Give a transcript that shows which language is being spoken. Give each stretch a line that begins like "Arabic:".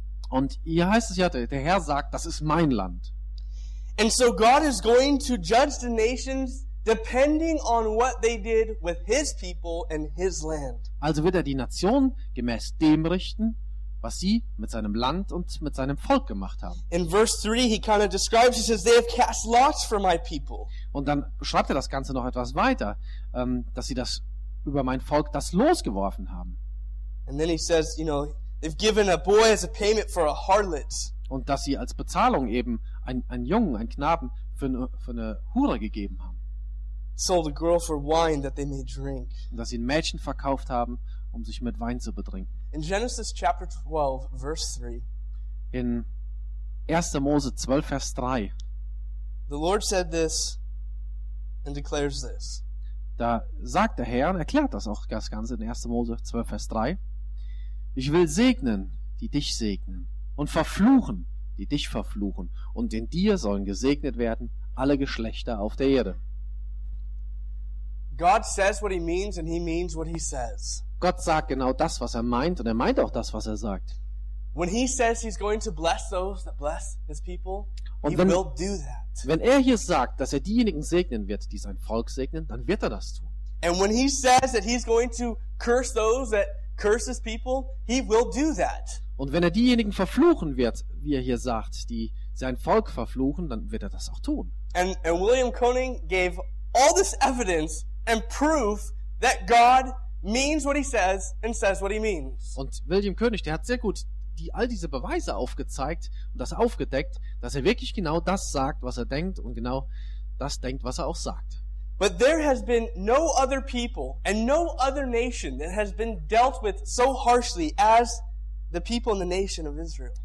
German: Und hier heißt es ja, der Herr sagt, das ist mein Land.
English: And so God is going to judge the nations depending on what they did with his people and his land.
German: Also wird er die Nation gemäß dem richten, was sie mit seinem Land und mit seinem Volk gemacht haben.
English: In verse 3 he kind of describes, he says, they have cast lots for my people.
German: Und dann schreibt er das Ganze noch etwas weiter, dass sie das über mein Volk das losgeworfen haben.
English: And then he says, you know, they've given a boy as a payment for a harlot.
German: Und dass sie als Bezahlung eben einen Jungen, einen Knaben für eine Hure gegeben haben.
English: Sold a girl for wine that they may drink.
German: Und dass sie ein Mädchen verkauft haben, um sich mit Wein zu betrinken.
English: In Genesis chapter 12, verse 3.
German: In 1. Mose 12, Vers 3.
English: The Lord said this and declares this.
German: Da sagt der Herr, und erklärt das auch das Ganze in 1. Mose 12, Vers 3. Ich will segnen, die dich segnen, und verfluchen, die dich verfluchen, und in dir sollen gesegnet werden alle Geschlechter auf der Erde.
English: God says what he means and he means what he says.
German: Gott sagt genau das, was er meint, und er meint auch das, was er sagt.
English: When he says he's going to bless those that bless his people, he will do that.
German: Wenn er hier sagt, dass er diejenigen segnen wird, die sein Volk segnen, dann wird er das tun.
English: And when he says that he's going to curse those that curse his people, he will do that.
German: Und wenn er diejenigen verfluchen wird, wie er hier sagt, die sein Volk verfluchen, dann wird er das auch tun.
English: And William Koenig gave all this evidence and proof that God means what he says and says what he means.
German: Und William Koenig, der hat sehr gut die all diese Beweise aufgezeigt und das aufgedeckt, dass er wirklich genau das sagt, was er denkt und genau das denkt, was er auch sagt.
English: But there has been no other people and no other nation that has been dealt with so harshly as the people in the nation of Israel.